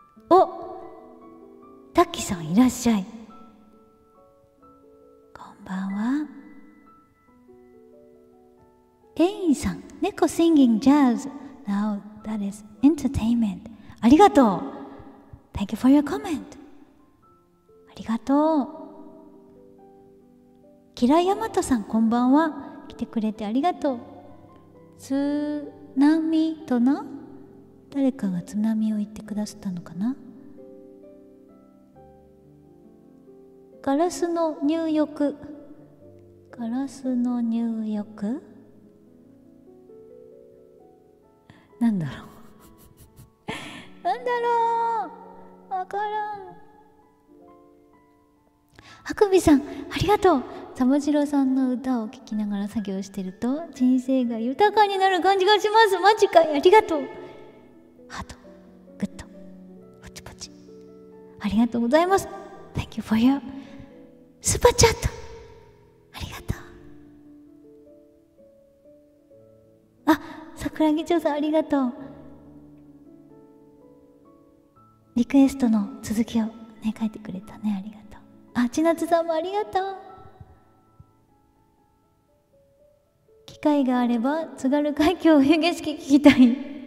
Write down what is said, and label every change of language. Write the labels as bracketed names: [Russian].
[Japanese] お、タッキーさんいらっしゃい、こんばんは。エインさん、猫シンギングジャズ [English] Now that is entertainment、 [Japanese] ありがとう。 [English] Thank you for your comment [Japanese] ありがとう。キラヤマトさん、こんばんは、来てくれてありがとう。津波とな、誰かが津波を言ってくださったのかな。ガラスの入浴、ガラスの入浴、なんだろうなんだろう、わからん。あくびさん、ありがとう。玉城さんの歌を聴きながら作業してると人生が豊かになる感じがします。マジかい、ありがとう。ハート、グッド、ポチポチ、ありがとうございます。 [English] Thank you for your super chat、 [Japanese] ありがとう。あ、桜木町さん、ありがとう。リクエストの続きをね、書いてくれたね、ありがとう。あ、千夏さんもありがとう。機会があれば津軽海峡冬景色聞きたい。